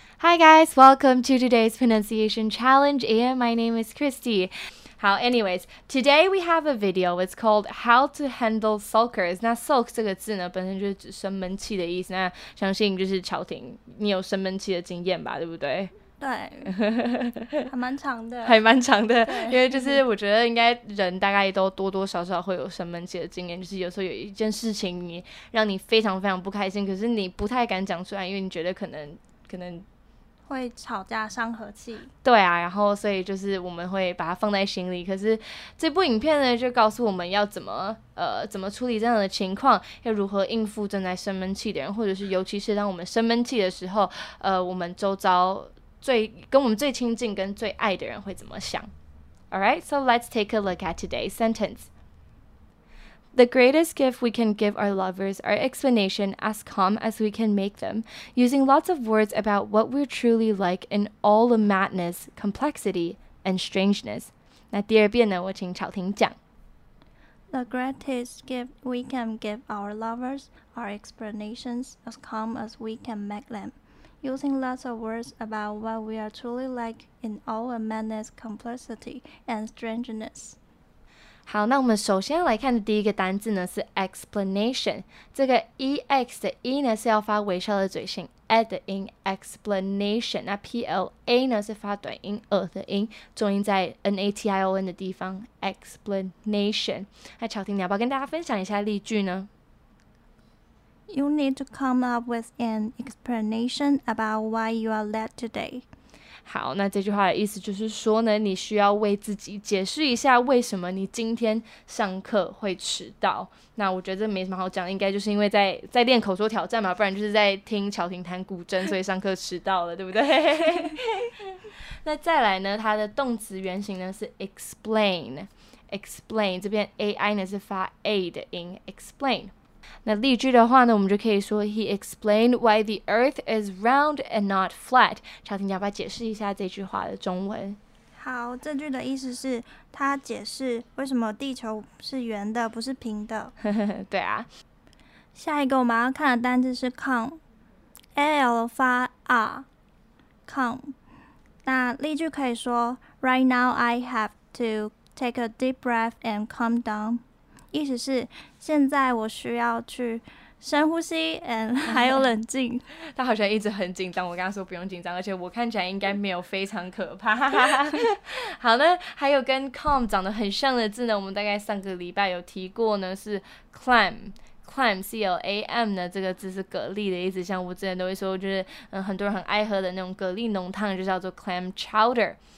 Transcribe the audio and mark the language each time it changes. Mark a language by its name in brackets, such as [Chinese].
[English] Hi guys, welcome to today's pronunciation challenge, and my name is Christy. How, anyways, today we have a video. It's called How to Handle Sulkers. [Chinese] 那 sulk 这个字呢，本身就是指生闷气的意思。那相信就是乔婷，你有生闷气的经验吧，对不对？对，还蛮长的，还蛮长的，因为就是我觉得应该人大概都多多少少会有生闷气的经验，就是有时候有一件事情你让你非常非常不开心，可是你不太敢讲出来，因为你觉得可能会吵架伤和气。对啊，然后所以就是我们会把它放在心里，可是这部影片呢就告诉我们要怎么处理这样的情况，要如何应付正在生闷气的人，或者是尤其是当我们生闷气的时候，我们周遭跟我们最亲近跟最爱的人会怎么想。 [English] Alright, so let's take a look at today's sentence. The greatest gift we can give our lovers are explanation as calm as we can make them, using lots of words about what we're truly like in all the madness, complexity, and strangeness. [Chinese] 那第二遍呢，我请乔婷讲。 [English] The greatest gift we can give our lovers are explanations as calm as we can make them. Using lots of words about what we are truly like in all our madness, complexity, and strangeness. [Chinese] 好，那我们首先要来看的第一个单字呢是 explanation。这个 ex 的 e 呢是要发微笑的嘴型 ，ed 的音 explanation。那 pla 呢是发短音 e 的音，重音在 nation 的地方 explanation。那乔婷，你要不要跟大家分享一下例句呢？ [English] You need to come up with an explanation about why you are late today. [Chinese] 好，那这句话的意思就是说呢，你需要为自己解释一下为什么你今天上课会迟到。那我觉得这没什么好讲，应该就是因为在练口说挑战嘛，不然就是在听乔婷弹古筝，所以上课迟到了，对不对？那再来呢，它的动词原型呢是 explain， 这边 ai 呢是发 a 的音 ，explain。那例句的话呢，我们就可以说 [English] He explained why the earth is round and not flat. [Chinese] 乔婷，你要不要解释一下这句话的中文？好，这句的意思是他解释为什么地球是圆的，不是平的。对啊。下一个我们要看的单字是 calm，L 发 R， calm。那例句可以说 [English] Right now, I have to take a deep breath and calm down. [Chinese] 意思是现在我需要去深呼吸 and 还有冷静。他好像一直很紧张，我跟他说不用紧张，而且我看起来应该没有非常可怕。好呢，还有跟 calm 长得很像的字呢，我们大概上个礼拜有提过呢，是 clam，clam 呢，这个字是蛤蜊的意思，像我之前都会说，就是很多人很爱喝的那种蛤蜊浓汤，就叫做 clam chowder。